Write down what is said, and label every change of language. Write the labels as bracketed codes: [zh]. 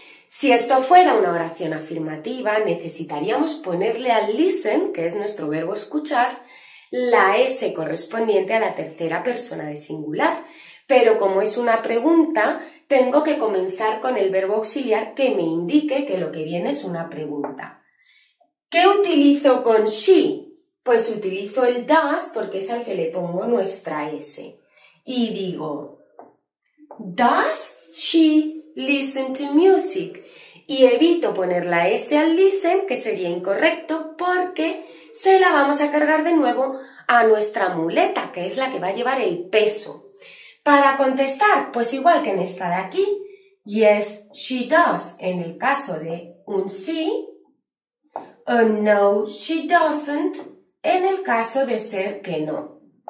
[es] Si esto fuera una oración afirmativa, necesitaríamos ponerle al listen, que es nuestro verbo escuchar, la S correspondiente a la tercera persona de singular. Pero como es una pregunta, tengo que comenzar con el verbo auxiliar que me indique que lo que viene es una pregunta. ¿Qué utilizo con she? Pues utilizo el does porque es al que le pongo nuestra S. Y digo, [en] does she listen to music? [es] Y evito poner la S al listen, que sería incorrecto, porque se la vamos a cargar de nuevo a nuestra muleta, que es la que va a llevar el peso. Para contestar, pues igual que en esta de aquí, [en] yes, she does, [es] en el caso de un sí, o [en] no, she doesn't, [es] en el caso de ser que no.